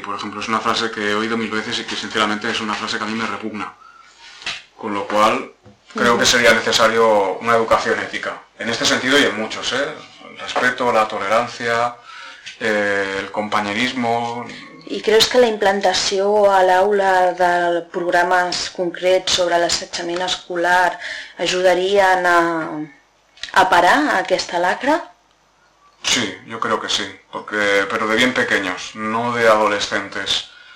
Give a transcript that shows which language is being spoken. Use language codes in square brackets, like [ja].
[es] Por ejemplo, es una frase que he oído mil veces y que sinceramente es una frase que a mí me repugna. Con lo cual, creo que sería necesario una educación ética. En este sentido y en muchos, ¿eh? El respeto, la tolerancia, el compañerismo. [ca] I creus que la implantació a l'aula de programes concrets sobre l'assetjament escolar ajudarien a parar aquesta lacra? [es] Sí, yo creo que sí, porque, pero de bien pequeños, no de adolescentes.